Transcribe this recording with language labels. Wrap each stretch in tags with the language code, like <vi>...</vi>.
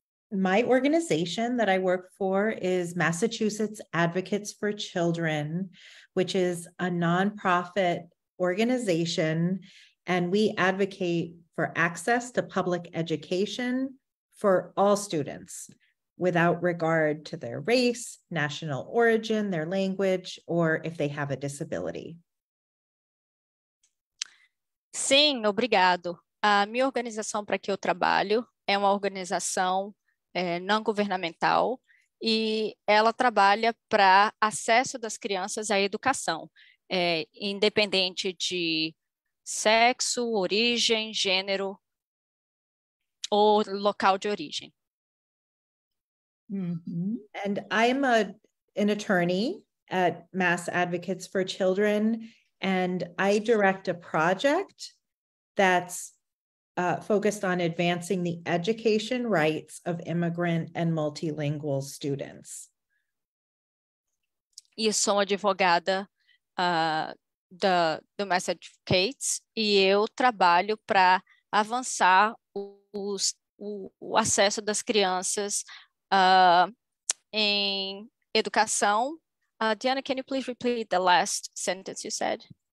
<en>My organization that I work for is Massachusetts Advocates for Children, which is a nonprofit organization, and we advocate for access to public education for all students without regard to their race, national origin, their language, or if they have a disability.</en> <pt>Sim, obrigado. A minha organização para que eu trabalho é uma organização não governamental e ela trabalha para acesso das crianças à educação, independente de sexo, origem, gênero ou local de origem. Mm-hmm.</pt> <en>And I'm an attorney at Mass Advocates for Children, and I direct a project that's focused on advancing the education rights of immigrant and multilingual students.</en> <pt>E eu sou advogada do Mass Advocates e eu trabalho para avançar o acesso das crianças em educação.</pt> <en>Diana, can you please repeat the last sentence you said?</en>